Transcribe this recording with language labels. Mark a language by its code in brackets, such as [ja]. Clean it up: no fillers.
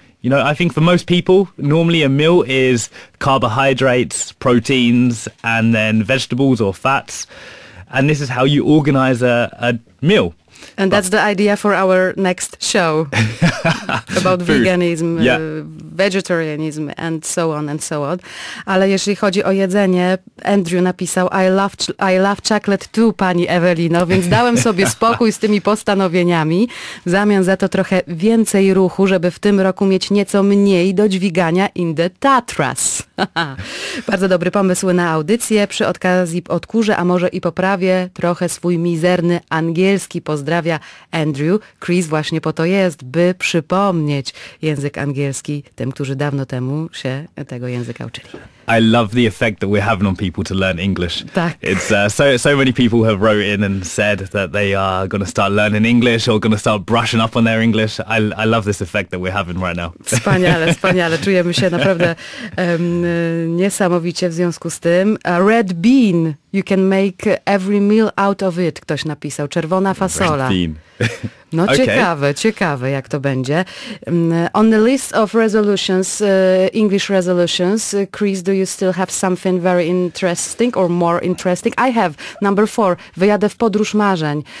[en] You know, I think for most people, normally a meal is carbohydrates, proteins, and then vegetables or fats, and this is how you organize a meal. And that's the idea for our next show about veganism, yeah. Vegetarianism and so on and so on. [pl] Ale jeśli chodzi o jedzenie, Andrew napisał, [en] I love chocolate too, [pl] pani Ewelino, więc dałem sobie spokój z tymi postanowieniami. W zamian za to trochę więcej ruchu, żeby w tym roku mieć nieco mniej do dźwigania [en] in the Tatras. [pl] Bardzo dobry pomysł na audycję. Przy okazji odkurzę, a może i poprawię trochę swój mizerny angielski. Pozdrawia Andrew. Chris właśnie po to jest, by przypomnieć język angielski tym, którzy dawno temu się tego języka uczyli. [en] I love the effect that we're having on people to learn English. [pl] Tak. [en] It's so many people have wrote in and said that they are going to start learning English or going to start brushing up on their English. I love this effect that we're having right now. [pl] Wspaniale, wspaniale. Czujemy się naprawdę niesamowicie w związku z tym. [en] A red bean. You can make every meal out of it. [pl] Ktoś napisał. Czerwona fasola. [en] Red bean. [pl] No okay. Ciekawe, ciekawe jak to będzie. [en] On the list of resolutions, English resolutions, Chris, do you still have something very interesting or more interesting? I have number 4, [pl] wyjadę w podróż marzeń.